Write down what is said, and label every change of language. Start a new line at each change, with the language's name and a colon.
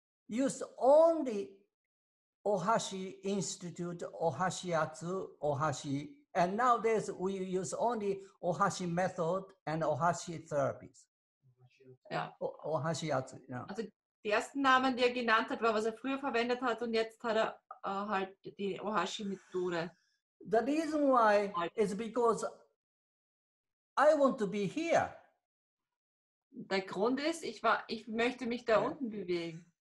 English: used only OHASHI Institute, OHASHI Atsu, OHASHI, and nowadays we use only OHASHI method and OHASHI therapies. Yeah. OHASHI Atsu, yeah.
German: Also, die ersten Namen, die er genannt hat, war, was er früher verwendet hat, und jetzt hat er halt die OHASHI Methode.
English: The reason why is because I want to be here.
German: Der Grund ist, ich möchte mich da unten bewegen.